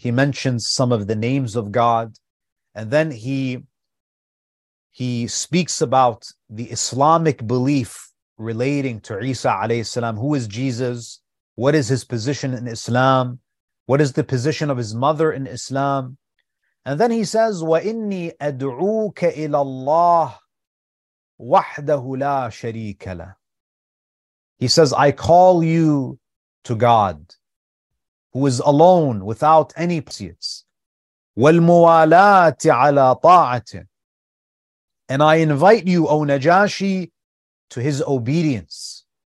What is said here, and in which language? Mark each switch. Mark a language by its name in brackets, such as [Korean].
[English] He mentions some of the names of God. And then he speaks about the Islamic belief relating to Isa alayhi salam. Who is Jesus? What is his position in Islam? What is the position of his mother in Islam? [Arabic] And then he says, وَإِنِّي أَدْعُوكَ إِلَى اللَّهِ وَحْدَهُ لَا شَرِيكَ لَهِ. [English] He says, I call you to God, who is alone, without any associates. [Arabic] وَالْمُوَالَاتِ عَلَى طَاعَةٍ. [English] And I invite you, O Najashi, to his obedience.